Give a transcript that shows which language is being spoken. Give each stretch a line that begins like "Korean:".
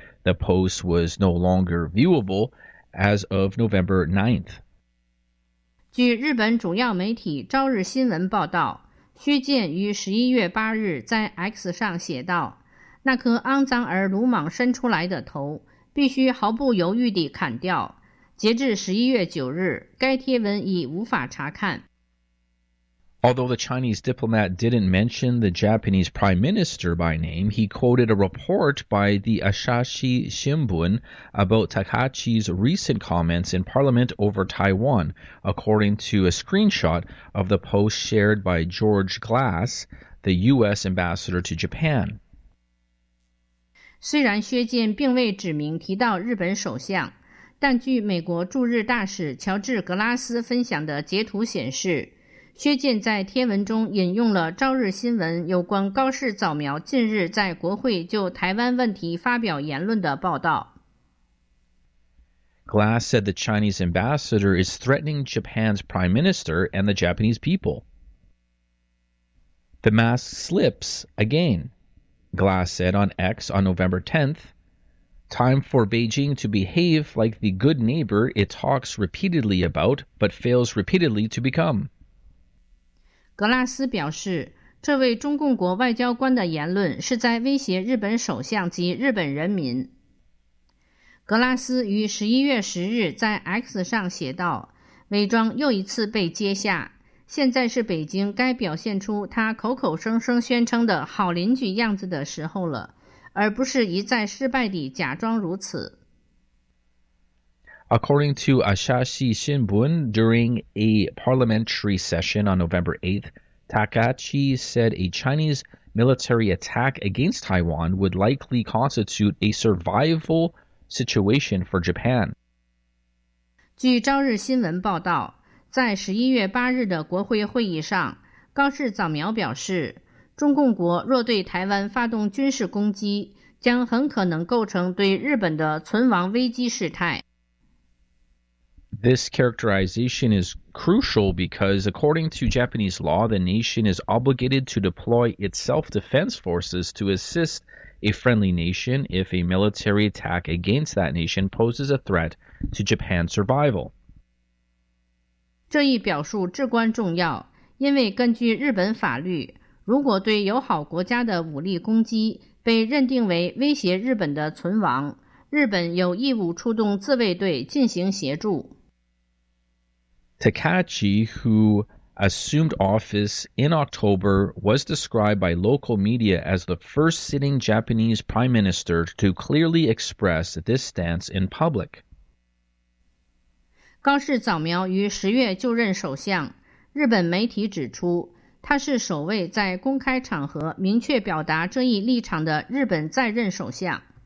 English: The post was no longer viewable as of November 9th.
Chinese: 据日本主要媒体朝日新闻报道，薛建于11月8日在 X 上写道，那颗肮脏而鲁莽伸出来的头必须毫不犹豫地砍掉。截至11月9日，该贴文已无法查看。
English: Although the Chinese diplomat didn't mention the Japanese prime minister by name, he quoted a report by the Asahi Shimbun about Takahashi's recent comments in parliament over Taiwan, according to a screenshot of the post shared by George Glass, the U.S. ambassador to Japan.
Chinese: 虽然薛建并未指名提到日本首相，但据美国驻日大使乔治·格拉斯分享的截图显示，薛建在贴文中引用了朝日新闻有关高市早苗近日在国会就台湾问题发表言论的报道。
English: Glass said the Chinese ambassador is threatening Japan's prime minister and the Japanese people. The mask slips again, Glass said on X on November 10th. Time for Beijing to behave like the good neighbor it talks repeatedly about but fails repeatedly to become.
Chinese: 格拉斯表示，这位中共国外交官的言论是在威胁日本首相及日本人民。格拉斯于11月10日在 X 上写道，伪装又一次被揭下，现在是北京该表现出他口口声声宣称的好邻居样子的时候了，而不是一再失败地假装如此。
English: According to Asahi Shimbun, during a parliamentary session on November 8th, Takahashi said a Chinese military attack against Taiwan would likely constitute a survival situation for Japan.
Chinese: 据朝日新闻报道，在11月8日的国会会议上，高市早苗表示，中共国若对台湾发动军事攻击，将很可能构成对日本的存亡危机事态。
English: This characterization is crucial because, according to Japanese law, the nation is obligated to deploy its self-defense forces to assist a friendly nation if a military attack against that nation poses a threat to Japan's survival.
Chinese: 这一表述至关重要，因为根据日本法律，如果对友好国家的武力攻击被认定为威胁日本的存亡，日本有义务出动自卫队进行协助。
English: Takachi, who assumed office in October, was described by local media as the first sitting Japanese prime minister to clearly express this stance in public.
Chinese: 高市早苗于十月就任首相，日本媒体指出，他是首位在公开场合明确表达这一立场的日本在任首相。